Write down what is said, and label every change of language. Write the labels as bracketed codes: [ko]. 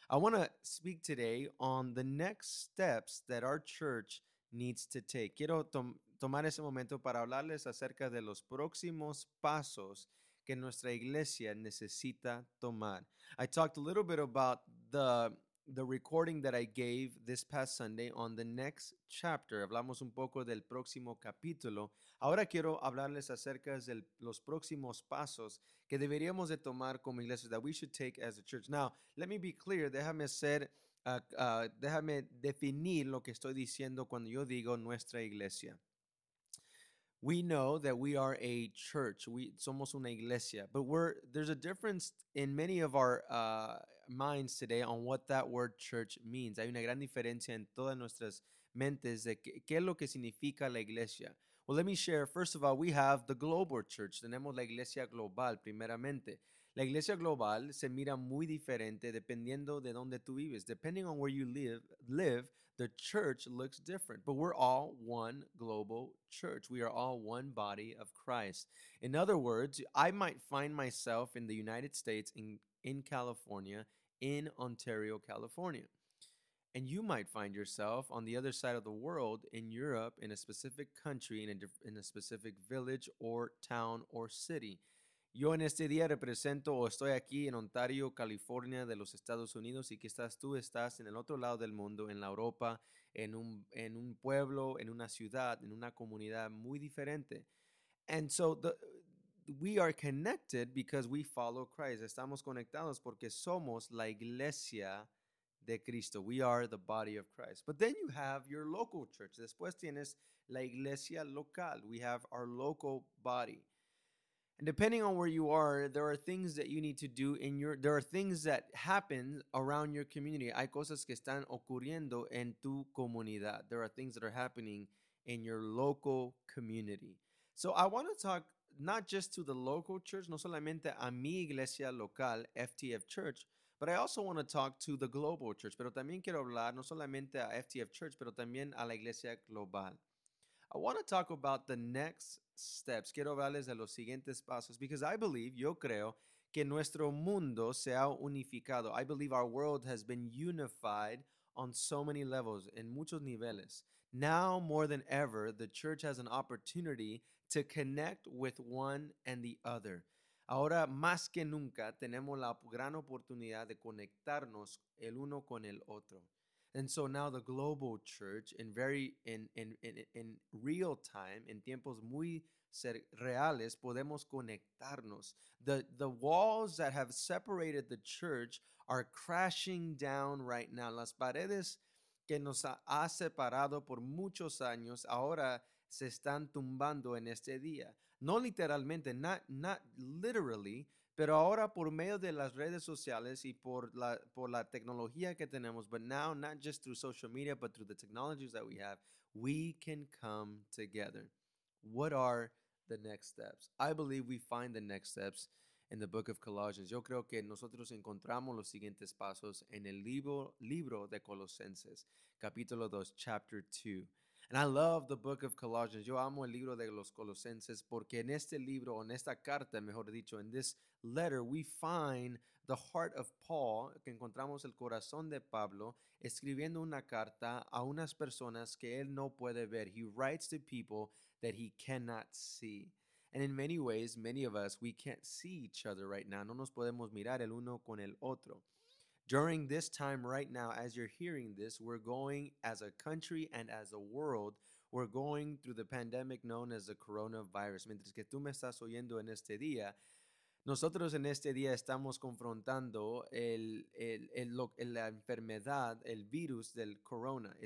[en] I want to speak today on the next steps that our church needs to take. [es] Quiero tomar ese momento para hablarles acerca de los próximos pasos que nuestra iglesia necesita tomar. [en] I talked a little bit about the recording that I gave this past Sunday on the next chapter. [es] Hablamos un poco del próximo capítulo. Ahora quiero hablarles acerca de los próximos pasos que deberíamos de tomar como iglesia, [en] that we should take as a church. Now, let me be clear. [es] Déjame definir lo que estoy diciendo cuando yo digo nuestra iglesia. [en] We know that we are a church. [es] Somos una iglesia. [en] But there's a difference in many of our minds today on what that word church means. [es] Hay una gran diferencia en todas nuestras mentes de qué es lo que significa la iglesia. [en] Well, let me share. First of all, we have the global church. Tenemos la iglesia global, primeramente. [es] La iglesia global se mira muy diferente dependiendo de dónde tú vives. [en] Depending on where you live, the church looks different. But we're all one global church. We are all one body of Christ. In other words, I might find myself in the United States, in California, in Ontario, California. And you might find yourself on the other side of the world, in Europe, in a specific country, in a specific village or town or city. [es] Yo en este día represento o estoy aquí en Ontario, California, de los Estados Unidos, y quizás tú estás en el otro lado del mundo, en la Europa, en un pueblo, en una ciudad, en una comunidad muy diferente. [en] And so we are connected because we follow Christ. [es] Estamos conectados porque somos la iglesia de Cristo. [en] We are the body of Christ. But then you have your local church. [es] Después tienes la iglesia local. [en] We have our local body. Depending on where you are, there are things that you need to do there are things that happen around your community. [es] Hay cosas que están ocurriendo en tu comunidad. [en] There are things that are happening in your local community. So I want to talk not just to the local church, [es] no solamente a mi iglesia local, [en] FTF Church, but I also want to talk to the global church. [es] Pero también quiero hablar no solamente a FTF Church, pero también a la iglesia global. [en] I want to talk about the next steps. [es] Quiero hablarles de los siguientes pasos [en] because I believe, [es] yo creo, que nuestro mundo se ha unificado. [en] I believe our world has been unified on so many levels, [es] en muchos niveles. [en] Now more than ever, the church has an opportunity to connect with one and the other. [es] Ahora más que nunca tenemos la gran oportunidad de conectarnos el uno con el otro. [en] And so now the global church in real time, in [es] tiempos muy reales, podemos conectarnos. [en] The walls that have separated the church are crashing down right now. [es] Las paredes que nos ha separado por muchos años ahora se están tumbando en este día. No literalmente, [en] not literally, [es] pero ahora por medio de las redes sociales y por la tecnología que tenemos, [en] but now not just through social media, but through the technologies that we have, we can come together. What are the next steps? I believe we find the next steps in the book of Colossians. [es] Yo creo que nosotros encontramos los siguientes pasos en el libro de Colosenses, capítulo 2, [en] chapter 2. And I love the book of Colossians. [es] Yo amo el libro de los Colosenses porque en este libro, en esta carta, mejor dicho, [en] in this letter, we find the heart of Paul, [es] que encontramos el corazón de Pablo, escribiendo una carta a unas personas que él no puede ver. [en] He writes to people that he cannot see. And in many ways, many of us, we can't see each other right now. [es] No nos podemos mirar el uno con el otro. [en] During this time right now, as you're hearing this, we're going as a country and as a world, we're going through the pandemic known as the coronavirus. [es] Mientras que tú me estás oyendo en este día, nosotros en este día estamos confrontando la enfermedad, el virus del corona.